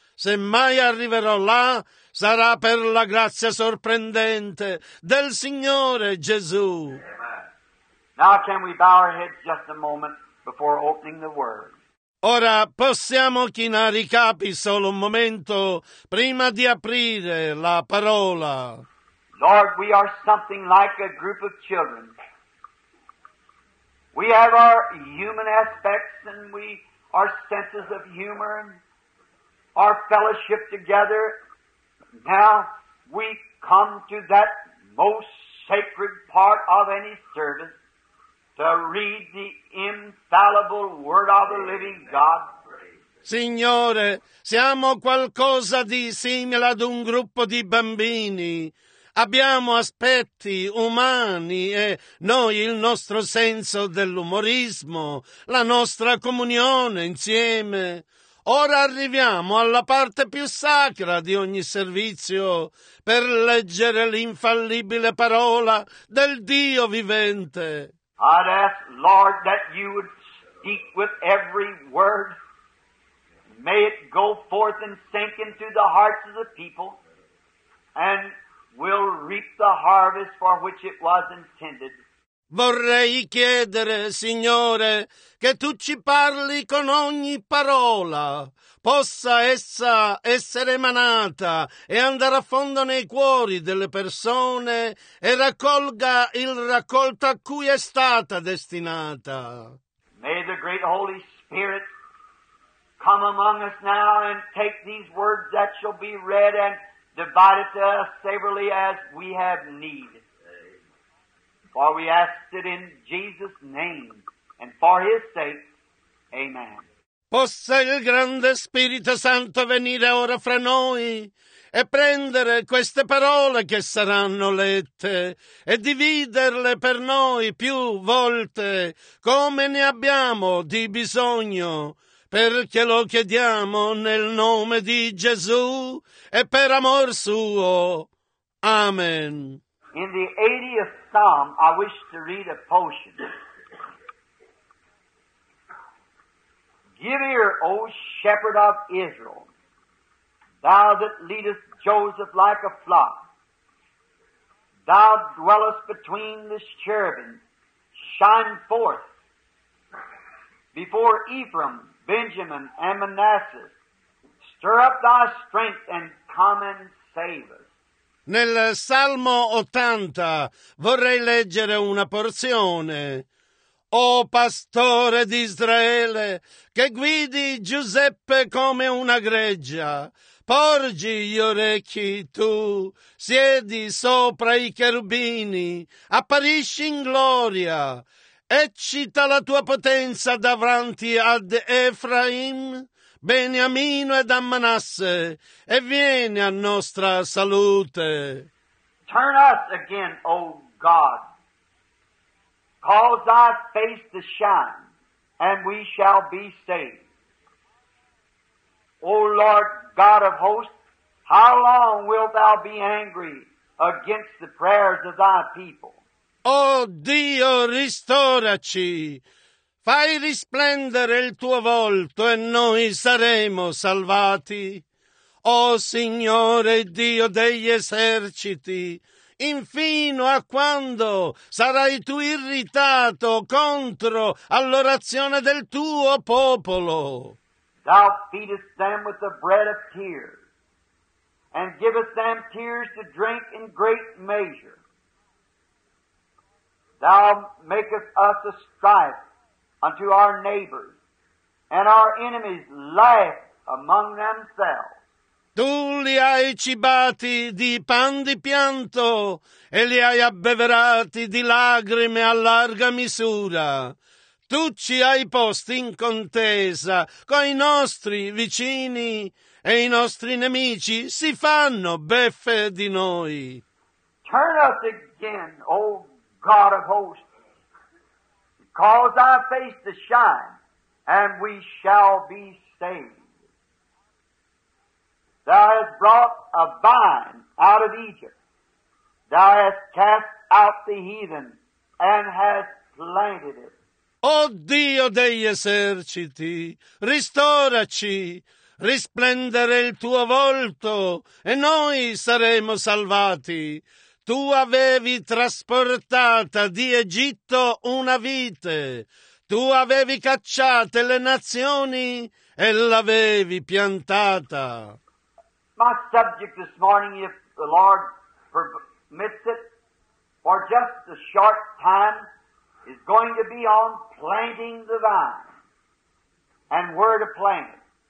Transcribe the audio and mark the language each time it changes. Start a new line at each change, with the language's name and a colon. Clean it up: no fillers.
Italian: Se mai arriverò là, sarà per la grazia sorprendente del Signore Gesù.
English: Now can we bow our heads just a moment before opening the word?
Italian: Ora possiamo chinare i capi solo un momento prima di aprire la parola.
English: Lord, we are something like a group of children. We have our human aspects and we our senses of humor and our fellowship together. Now we come to that most sacred part of any service. To read the infallible word of the living God.
Italian: Signore, siamo qualcosa di simile ad un gruppo di bambini. Abbiamo aspetti umani e noi il nostro senso dell'umorismo, la nostra comunione insieme. Ora arriviamo alla parte più sacra di ogni servizio per leggere l'infallibile parola del Dio vivente.
English: I'd ask, Lord, that you would speak with every word. May it go forth and sink into the hearts of the people and will reap the harvest for which it was intended.
Italian: Vorrei chiedere, Signore, che tu ci parli con ogni parola. Possa essa essere emanata e andare a fondo nei cuori delle persone e raccolga il raccolto a cui è stata destinata.
English: May the great Holy Spirit come among us now and take these words that shall be read and divide it to us severally as we have need. For we ask it in Jesus' name and for his sake. Amen.
Italian: possa il grande Spirito Santo venire ora fra noi e prendere queste parole che saranno lette e dividerle per noi più volte come ne abbiamo di bisogno, perché lo chiediamo nel nome di Gesù e per amor suo. Amen.
English: In the 80th Psalm, I wish to read a portion. Give ear, O shepherd of Israel, thou that leadest Joseph like a flock, thou dwellest between the cherubim, shine forth before Ephraim, Benjamin, and Manasseh, stir up thy strength and come and save us.
Italian: Nel Salmo 80 vorrei leggere una porzione. O pastore di Israele, che guidi Giuseppe come una greggia, porgi gli orecchi tu, siedi sopra i cherubini, apparisci in gloria, eccita la tua potenza davanti ad Efraim, Beniamino ed Manasse, e vieni a nostra salute.
English: Turn us again, O God. Cause thy face to shine, and we shall be saved. O Lord God of hosts, how long wilt thou be angry against the prayers of thy people?
Italian: O Dio, ristoraci! Fai risplendere il tuo volto e noi saremo salvati. O Signore Dio degli eserciti, infino a quando sarai tu irritato contro all'orazione del tuo popolo?
English: Thou feedest them with the bread of tears, and givest them tears to drink in great measure. Thou makest us a strife unto our neighbors, and our enemies laugh among themselves.
Italian: Tu li hai cibati di pan di pianto e li hai abbeverati di lacrime a larga misura. Tu ci hai posti in contesa coi nostri vicini e i nostri nemici si fanno beffe di noi.
English: Turn us again, O God of hosts, cause thy face to shine, and we shall be saved. Thou hast brought a vine out of Egypt. Thou hast cast out the heathen and hast planted it.
Italian: O Dio degli eserciti, ristoraci, risplendere il tuo volto e noi saremo salvati. Tu avevi trasportata di Egitto una vite. Tu avevi cacciate le nazioni e l'avevi piantata.
English: My subject this morning, if the Lord permits it, for just a short time, is going to be on planting the vine and where to plant it.